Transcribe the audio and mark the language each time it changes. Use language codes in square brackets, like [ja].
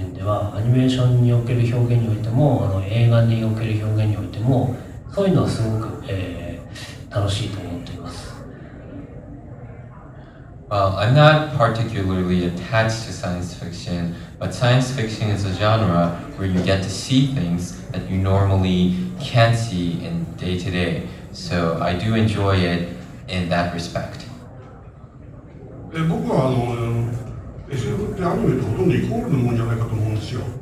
[ja] アニメーションにおける表現においても映画における表現においてもそういうのはすごく、楽しいと思っています。 [en] Well, I'm not particularly attached to science fiction, but science fiction is a genre where you get to see things that you normally can't see in day to day. So I do enjoy it in that respect. [ja] 僕はSF ってアニメとほとんどイコールのもんじゃないかと思うんですよ。